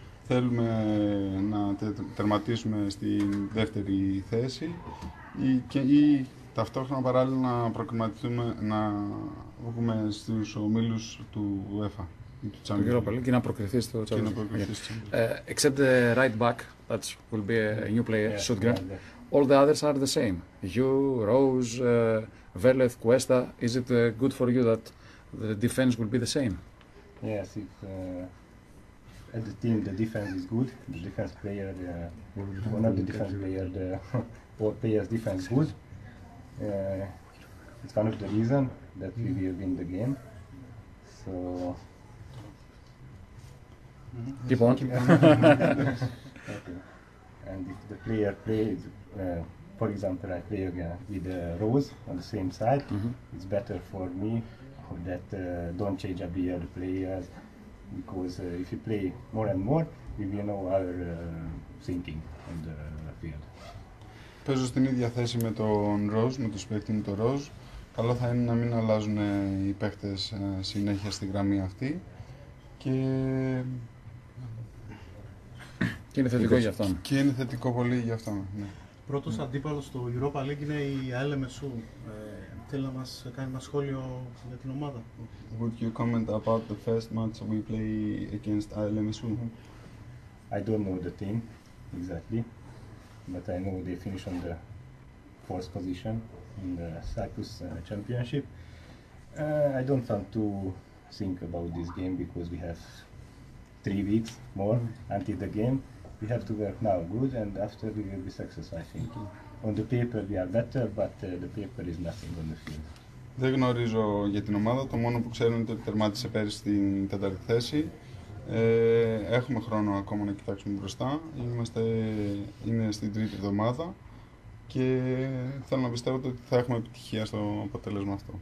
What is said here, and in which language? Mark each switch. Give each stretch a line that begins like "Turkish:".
Greek: Θέλουμε να τερματίσουμε στην δεύτερη θέση ή ταυτόχρονα παράλληλα να προκριματιστούμε, να βγούμε στους ομίλους του UEFA. Και να προκριθεί στο
English: Champions League. Except the right back, that will be a new player, yeah, Stuttgart. Yeah, yeah. All the others are the same. You, Rose, Velez, Cuesta. Is it good for you that the defense will be the same? Yes, if at the team the defense is good, the defense player, one of the defense player, the four players defense good. It's one of the reason that we will win the game. So keep on. Okay. And if the player plays, for example, I play again with Rose on the same side, mm-hmm. it's better for me. That don't change up the other players, because if you play more and more, we will know our thinking on the field.
Greek: Παίζω στην ίδια θέση με τον Rose, με τον παίκτη μου τον Rose. Καλό θα είναι να μην αλλάζουν οι παίκτες συνέχεια στη γραμμή αυτή. Και είναι θετικό για αυτόν. Και είναι θετικό πολύ για αυτόν, ναι. Πρώτος αντίπαλος στο Europa League είναι η ΑΕΛ ΜΕΣΟΥ. Θέλει να μας κάνει ένα σχόλιο για την ομάδα.
English: Would you comment about the first match we play against ΑΕΛ ΜΕΣΟΥ? I don't know the team exactly, but I know they finish on the fourth position in the Cyprus Championship. I don't want to think about this game because we have 3 weeks more until the game. We have to work now good, and after we will be successful, I think. On the paper we are better, but the paper is nothing on the field.
Greek: Δεν γνωρίζω για την ομάδα. Το μόνο που ξέρω είναι ότι τερμάτισε πέρυσι στην τέταρτη θέση. Έχουμε χρόνο ακόμα να κοιτάξουμε μπροστά. Είναι στην τρίτη εβδομάδα και θέλω να πιστεύω ότι θα έχουμε επιτυχία στο αποτέλεσμα αυτό.